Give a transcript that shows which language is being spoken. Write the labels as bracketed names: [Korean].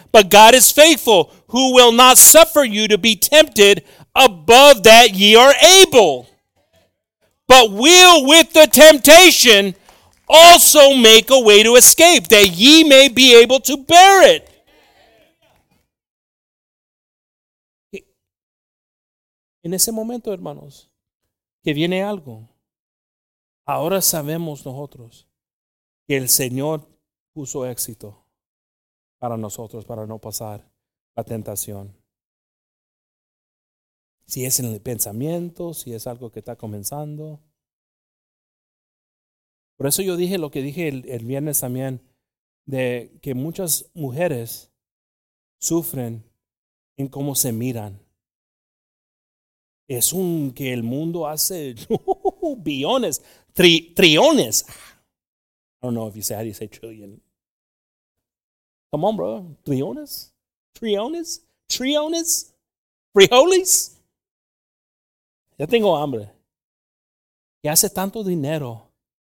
[English] But God is faithful, who will not suffer you to be tempted above that ye are able, but will with the temptation also make a way to escape, that ye may be able to bear it. [Spanish] En ese momento, hermanos, que viene algo, ahora sabemos nosotros que el Señor puso éxito para nosotros, para no pasar la tentación. Si es en el pensamiento, si es algo que está comenzando. Por eso yo dije lo que dije el viernes también, de que muchas mujeres sufren en cómo se miran. Es un que el mundo hace billones, trillones. [English] I don't know if you say, how do you say trillion? Come on, bro. [Spanish] Trillones? Trillones? Trillones? Frijoles? Ya tengo hambre. Que hace tanto dinero.